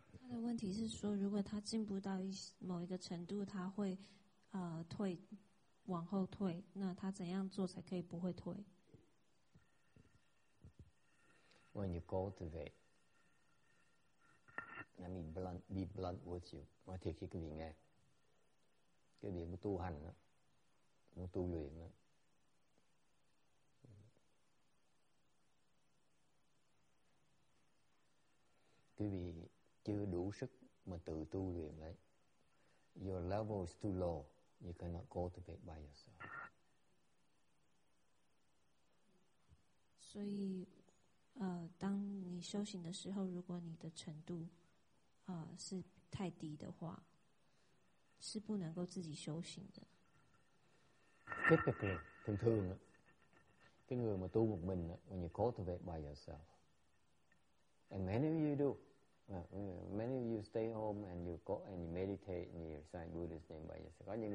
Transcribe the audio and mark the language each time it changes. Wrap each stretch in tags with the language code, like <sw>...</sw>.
<zh>His 问题是说, 如果他进步到某一个程度, 他会, 退, 往后退, 那他怎样做才可以不会退?</zh> <en>When you cultivate, let me be blunt with you. I take it to be nghe.</en> <vi>Cái việc muốn tu hành đó, muốn tu luyện đó, quý vị chưa đủ sức mà tự tu luyện đấy.</vi> <en>Your level is too low, you cannot cultivate by yourself.</en> <zh>所以, 当你修行的时候，如果你的程度，是太低的话。是不能够自己修行的。</zh> <en>Typically,</en> <zh>通常，这个人嘛，修一个人</zh> <en>，when you cultivate by yourself, and many of you do, many of you stay home and you go and you meditate and you recite Buddha's name by yourself.</en>